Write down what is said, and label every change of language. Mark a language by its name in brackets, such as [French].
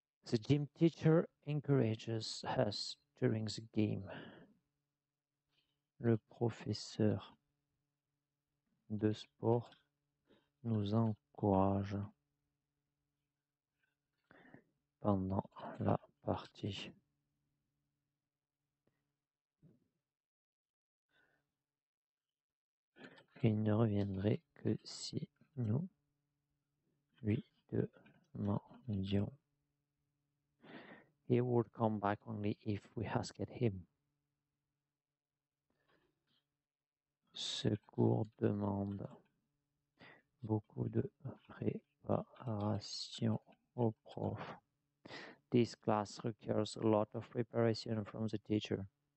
[English] The gym teacher encourages us during the game. [French] Le professeur de sport nous encourage pendant la partie. Il ne reviendrait que si nous lui demandions. [English] He would come back only if we asked him. [French] Ce cours demande beaucoup de préparation au prof. [English] This class requires a lot of preparation from the teacher.